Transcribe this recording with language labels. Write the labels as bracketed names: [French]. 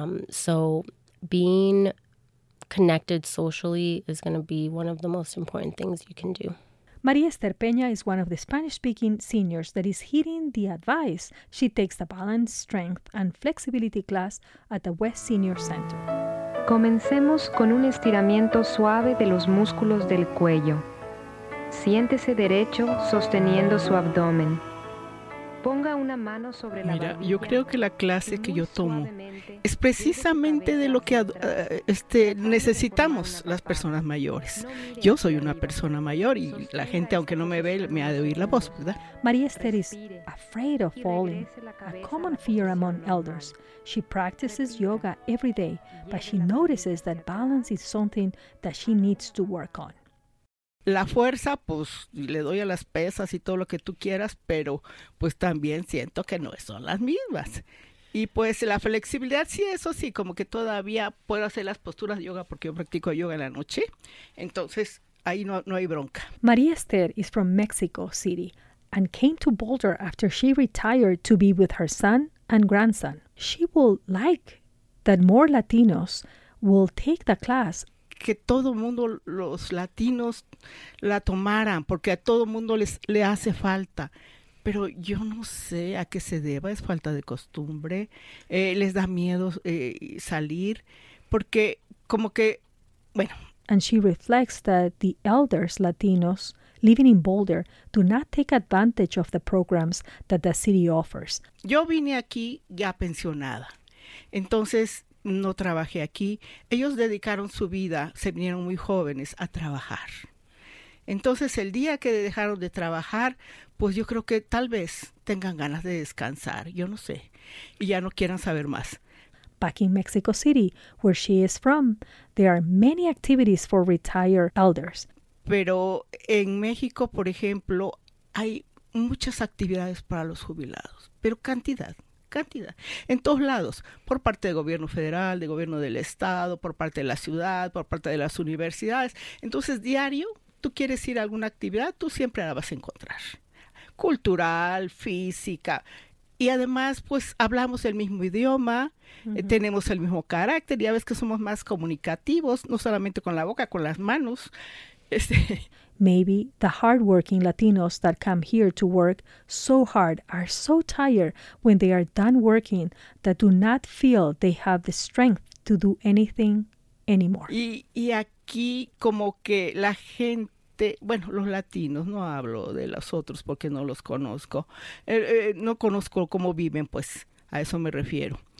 [English] So being connected socially is going to be one of the most important things you can do. Maria Esther Peña is one of the Spanish-speaking seniors that is heeding the advice. She takes the balance, strength, and flexibility class at the West Senior Center. [Spanish] Comencemos con un estiramiento suave de los músculos del cuello. Siéntese derecho sosteniendo su abdomen. Ponga una mano sobre la barbilla. Mira, yo creo que la clase que yo tomo es precisamente de lo que necesitamos las personas mayores. Yo soy una persona mayor y la gente, aunque no me ve, me ha de oír la voz, ¿verdad? [English] María Esther is afraid of falling, a common fear among elders. She practices yoga every day, but she notices that balance is something that she needs to work on. [Spanish] La fuerza, pues, le doy a las pesas y todo lo que tú quieras, pero pues también siento que no son las mismas. Y pues la flexibilidad, sí, eso sí, como que todavía puedo hacer las posturas de yoga porque yo practico yoga en la noche. Entonces, ahí no hay bronca. [English] María Esther is from Mexico City and came to Boulder after she retired to be with her son and grandson. She would like that more Latinos will take the class. [Spanish] Que todo mundo, los latinos, la tomaran, porque a todo mundo le hace falta. Pero yo no sé a qué se deba, es falta de costumbre, les da miedo salir, porque como que, bueno. [English] And she reflects that the elders Latinos living in Boulder do not take advantage of the programs that the city offers. [Spanish] Yo vine aquí ya pensionada, entonces no trabajé aquí. Ellos dedicaron su vida, se vinieron muy jóvenes a trabajar. Entonces, el día que dejaron de trabajar, pues yo creo que tal vez tengan ganas de descansar, yo no sé, y ya no quieran saber más. [English] Back in Mexico City, where she is from, there are many activities for retired elders. [Spanish] Pero en México, por ejemplo, hay muchas actividades para los jubilados, pero cantidad, en todos lados, por parte del gobierno federal, del gobierno del estado, por parte de la ciudad, por parte de las universidades. Entonces, diario, tú quieres ir a alguna actividad, tú siempre la vas a encontrar. Cultural, física, y además, pues, hablamos el mismo idioma, tenemos el mismo carácter, ya ves que somos más comunicativos, no solamente con la boca, con las manos. [English] Maybe the hardworking Latinos that come here to work so hard are so tired when they are done working that do not feel they have the strength to do anything anymore. [Spanish] Y aquí como que la gente, bueno, los latinos, no hablo de los otros porque no los conozco, no conozco cómo viven, pues a eso me refiero.